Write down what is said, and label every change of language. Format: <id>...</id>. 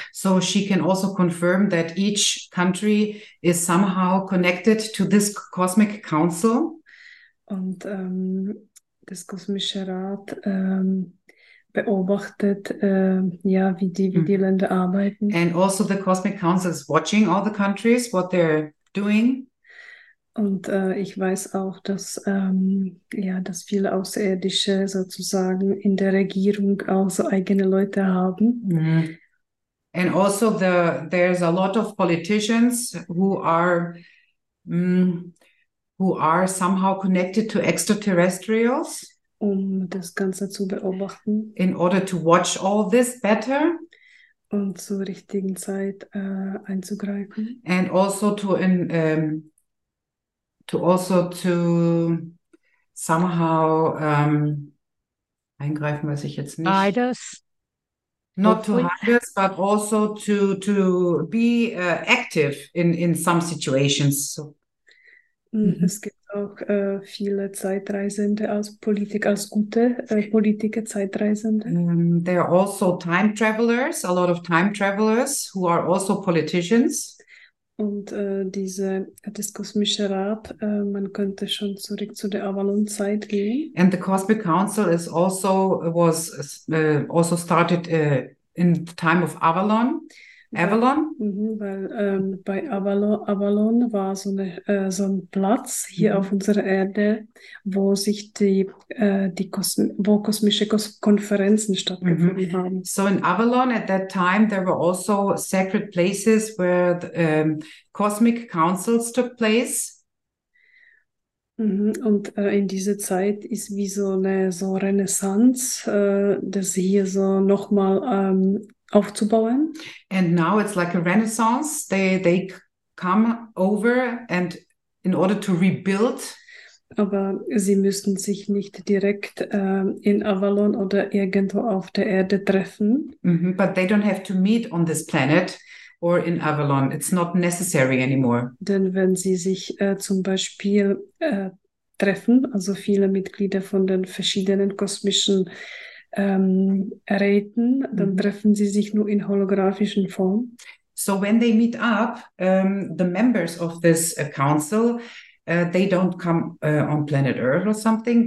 <en>So she can also confirm that each country is somehow connected to this Cosmic Council.</en> <de>Und das kosmische Rat beobachtet, wie die Länder arbeiten.</de> <en>And also the Cosmic Council is watching all the countries, what they're doing.</en> <de>Und ich weiß auch, dass dass viele Außerirdische sozusagen in der Regierung auch so eigene Leute haben.</de> <en>And also there's a lot of politicians who are somehow connected to extraterrestrials,</en> <de>um das Ganze zu beobachten,</de> <en>in order to watch all this better</en> <de>und zur richtigen Zeit einzugreifen,</de> <en>and also to somehow</en> <de>eingreifen, weiß ich jetzt nicht.</de> <en>Hide us. Not Hopefully. To hide us, but also to be active in some situations. So.</en> <de>Es gibt auch viele Zeitreisende als Politiker, als gute Politiker Zeitreisende.</de> <en>There are also time travelers, a lot of time travelers who are also politicians.</en> <de>Und dieses kosmische Rad, man könnte schon zurück zu der Avalon-Zeit gehen.</de> <en>And the Cosmic Council was also started in the time of Avalon. Avalon?</en> <de>Bei Avalon war so ein Platz hier auf unserer Erde, wo sich kosmische Konferenzen stattgefunden haben.</de> <en>So in Avalon at that time there were also sacred places where the cosmic councils took place.</en> <de>Und in dieser Zeit ist wie so eine so Renaissance, das hier so nochmal aufzubauen.</de> <en>And now it's like a Renaissance. They come over and in order to rebuild.</en> <de>Aber sie müssen sich nicht direkt in Avalon oder irgendwo auf der Erde treffen.</de> <en>But they don't have to meet on this planet. Or in Avalon, it's not necessary anymore.</en> <de>Denn wenn sie sich zum Beispiel treffen, also viele Mitglieder von den verschiedenen kosmischen Räten, dann treffen sie sich nur in holographischen Form.</de> <en>So when they meet up, the members of this council, they don't come on planet Earth or something.</en>